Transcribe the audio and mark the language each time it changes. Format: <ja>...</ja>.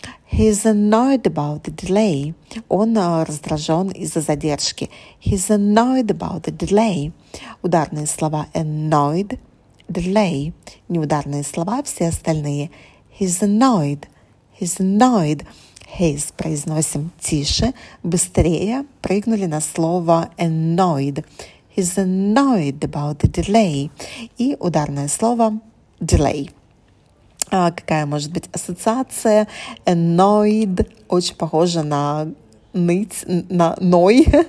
<en>He's annoyed about the delay.</en> <ru>Он раздражен из-за задержки.</ru> <en>He's annoyed about the delay.</en> <ru>Ударные слова «annoyed».</ru> <en>Delay.</en> <ru>Неударные слова, все остальные.</ru> <en>He's annoyed. He's annoyed. His.</en> <ru>Произносим тише, быстрее. Прыгнули на слово annoyed.</ru> <en>He's annoyed about the delay.</en> <ru>И ударное слово delay. А какая может быть ассоциация?</ru> <en>Annoyed.</en> <ru>Очень похоже на ныть, на ной.</ru>